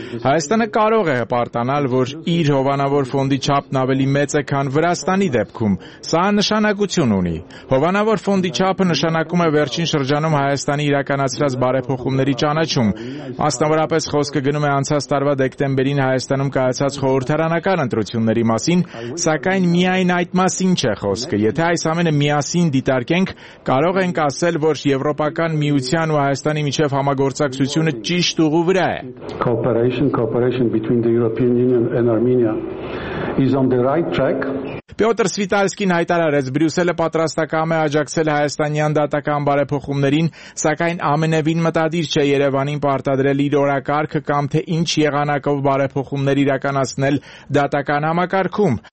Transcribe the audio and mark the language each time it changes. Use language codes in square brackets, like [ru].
[hy] Հայաստանը կարող է հպարտանալ, որ իր հովանավոր ֆոնդի չափն ավելի մեծ է, քան Վրաստանի դեպքում։ Սա նշանակություն ունի։ Հովանավոր ֆոնդի չափը նշանակում է վերջին շրջանում Հայաստանի իրականացրած բարեփոխումների ճանաչում։ Մասնավորապես խոսքը գնում է անցած տարվա դեկտեմբերին Հայաստանում կայացած խորհրդարանական ընտրությունների մասին, սակայն միայն այդ մասին չէ խոսքը։ Եթե այս ամենը միասին դիտարկենք, կարող ենք ասել, որ Եվրոպական միության ու Հայաստանի միջև համագործակցությունը ճիշտ ուղու վրա է. [en] Cooperation between the European Union and Armenia is on the right track. [hy] Պյոտր Սվիտալսկին հայտարարեց, Բրյուսելը պատրաստակամ է աջակցել հայաստանյան դատական բարեփոխումներին, սակայն ամենևին մտադիր չէ Երևանին պարտադրել իր օրակարգը կամ թե ինչ եղանակով բարեփոխումներ իրականացնել դատական համակարգում։